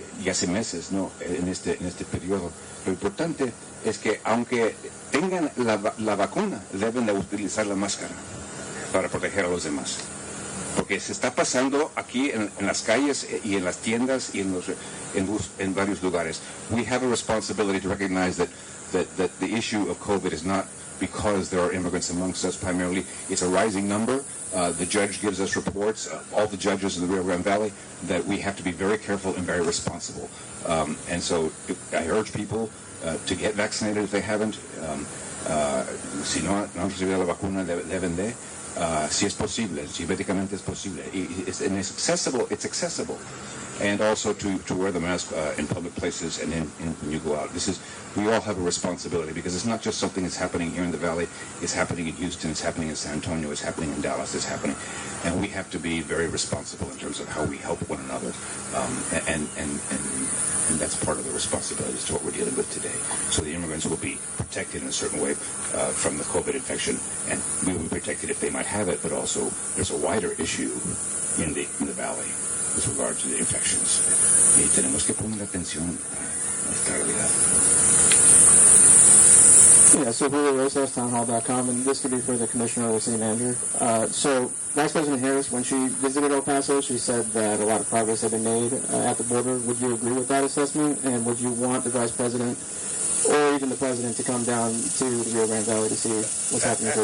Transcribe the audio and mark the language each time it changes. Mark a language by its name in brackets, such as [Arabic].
[Spanish] y hace meses, ¿no?, en este periodo. Lo importante es que aunque tengan la vacuna, deben de utilizar la máscara para proteger a los demás. Porque se está pasando aquí en las calles y en las tiendas y en varios lugares. [English] We have a responsibility to recognize that the issue of COVID is not because there are immigrants amongst us primarily. It's a rising number. The judge gives us reports, all the judges in the Rio Grande Valley, that we have to be very careful and very responsible. And so I urge people to get vaccinated if they haven't. [Spanish] Si no han recibido la vacuna, deben de. Si es posible, si medicamente es posible. [English] It's accessible. And also to wear the mask in public places and in when you go out. We all have a responsibility because it's not just something that's happening here in the Valley. It's happening in Houston. It's happening in San Antonio. It's happening in Dallas. It's happening. And we have to be very responsible in terms of how we help one another. And that's part of the responsibility to what we're dealing with today. So the immigrants will be protected in a certain way from the COVID infection. And we will be protected if they might have it. But also there's a wider issue in the Valley. With regard to the infections. [Spanish] Y tenemos que poner atención a esta realidad. [English] Yeah, so Julio Rosa, townhall.com, and this could be for the commissioner or the city manager. So Vice President Harris, when she visited El Paso, she said that a lot of progress had been made at the border. Would you agree with that assessment? And would you want the Vice President or even the President to come down to the Rio Grande Valley to see what's happening?